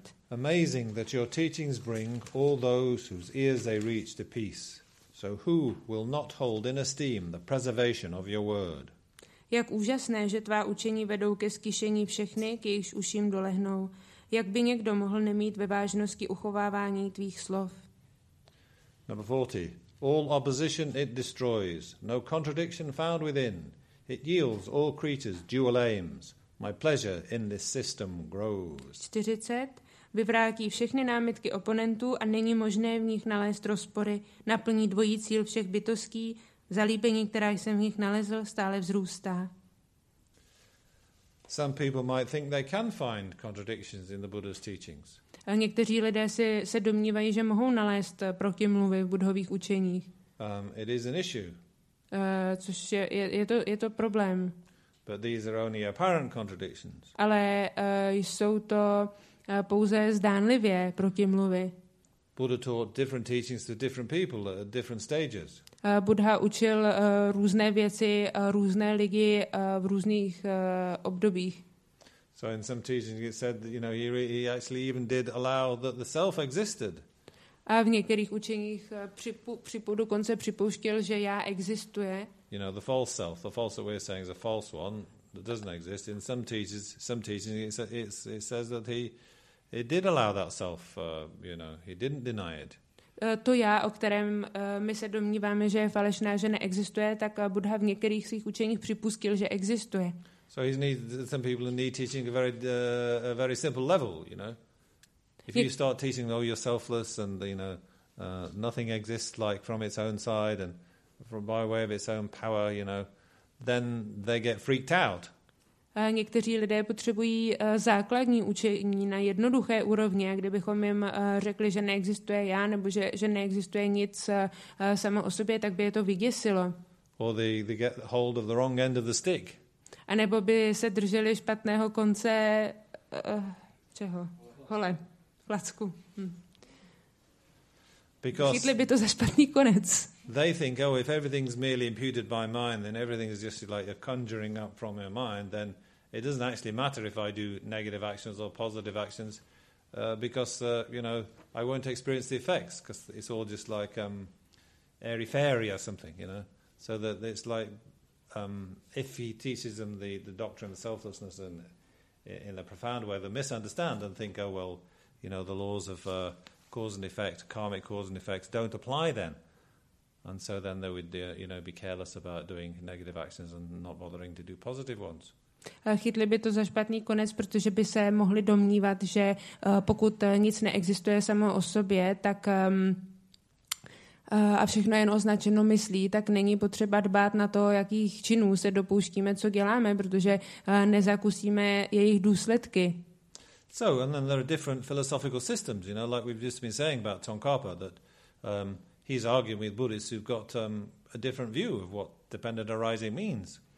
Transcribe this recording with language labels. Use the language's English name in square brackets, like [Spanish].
[English] Amazing that your teachings bring all those whose ears they reach to peace. So who will not hold in esteem the preservation of your word? [Czech] Jak úžasné, že tvá učení vedou ke zkýšení všechny, k jejichž uším dolehnou. Jak by někdo mohl nemít ve vážnosti uchovávání tvých slov? [English] Number 40. All opposition it destroys. No contradiction found within. It yields all creatures dual aims. My pleasure in this system grows. [Czech] 40. Vyvrátí všechny námitky oponentů a není možné v nich nalézt rozpory. Naplní dvojí cíl všech bytostí. Zalíbení, která jsem v nich nalezl, stále vzrůstá. [English] Some people might think they can find contradictions in the Buddha's teachings. [Czech] A někteří lidé se domnívají, že mohou nalézt protimluvy v buddhových učeních. [English] It is an issue. [Czech] Což je to problém. [English] But these are only apparent contradictions. [Czech] Ale jsou to pouze zdánlivě protimluvy. [English] Buddha taught different teachings to different people at different stages. [Czech] Buddha učil různé věci různé lidi v různých obdobích. [English] So in some teachings it said that, you know, he actually even did allow that the self existed. [Czech] A v některých učeních připouštěl, že já existuje. [English] You know, the false self, the false that we're saying is a false one that doesn't exist. In some teachings it says that he did allow that self, you know, he didn't deny it. [Czech] To já, o kterém my se domníváme, že je falešná, že neexistuje, tak Buddha v některých svých učeních připustil, že existuje. [English] So he's some people need teaching a very simple level, you know. You start teaching, oh, you're selfless and, you know, nothing exists like from its own side and from by way of its own power, you know, then they get freaked out. [Czech] Někteří lidé potřebují základní učení na jednoduché úrovni, kdybychom jim řekli, že neexistuje já nebo že neexistuje nic samo o sobě, tak by je to vyděsilo. [English] They get hold of the wrong end of the stick. [Czech] A nebo by se drželi špatného konce čeho? Hole, placku. Chytli by to za špatný konec. [English] They think, oh, if everything's merely imputed by mind, then everything is just like you're conjuring up from your mind, then it doesn't actually matter if I do negative actions or positive actions, because I won't experience the effects, because it's all just like airy fairy or something, you know. So that it's like if he teaches them the doctrine of selflessness and in a profound way, they misunderstand and think, oh well, you know, the laws of cause and effect, karmic cause and effects, don't apply then. And so then they would, you know, be careless about doing negative actions and not bothering to do positive ones. [Czech] Chytli by to za špatný konec, protože by se mohli domnívat, že pokud nic neexistuje samo o sobě, tak a všechno jen označeno myslí, tak není potřeba dbát na to, jakých činů se dopouštíme, co děláme, protože nezakusíme jejich důsledky. [English] So, and then there are different philosophical systems, you know, like we've just been saying about Tsongkhapa, that he's arguing with Buddhists who've got a different view of what dependent arising means.